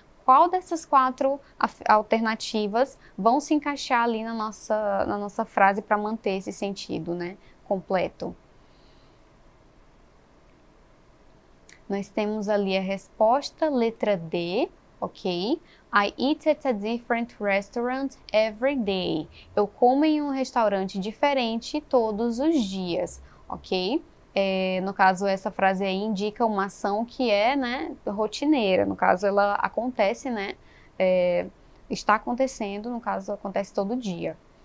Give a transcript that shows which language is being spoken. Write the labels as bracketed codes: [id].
[pt] Qual dessas quatro alternativas vão se encaixar ali na nossa frase para manter esse sentido, né, completo? Nós temos ali a resposta, letra D, ok? [en] I eat at a different restaurant every day. [pt] Eu como em um restaurante diferente todos os dias, ok? É, no caso, essa frase aí indica uma ação que é, né, rotineira. No caso, ela acontece, né? É, está acontecendo, no caso, acontece todo dia.